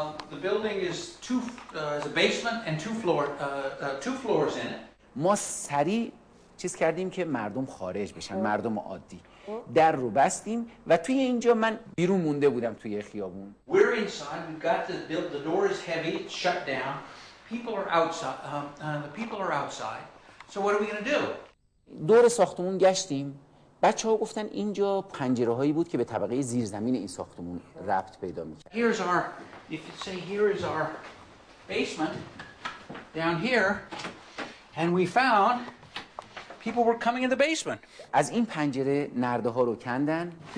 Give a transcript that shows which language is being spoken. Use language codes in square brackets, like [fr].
[en] The building is a basement and two floors in it. [fa] ما سریع چیز کردیم که مردم خارج بشن، مردم عادی. در رو بستیم و توی اینجا من بیرون مونده بودم توی خیابون. [en] We're inside. We've got the door is heavy. It's shut down. People are outside. The people are outside. So what are we going to do? [fa] دور ساختمون گشتیم. بچه‌ها گفتن اینجا پنجره‌هایی بود که به طبقه زیرزمین این ساختمون ربط پیدا می‌کرد. [en] Here is our basement down here, and we found people were coming in the basement. [fa] از این پنجره نرده‌ها رو کندن.